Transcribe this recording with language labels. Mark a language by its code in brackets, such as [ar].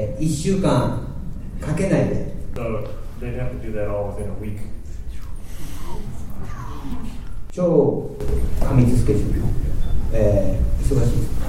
[ja] それで、1つの作品を1週間かけないで。 [en] They'd have to do that all within a week. [ja] 超過密スケジュール。忙しい。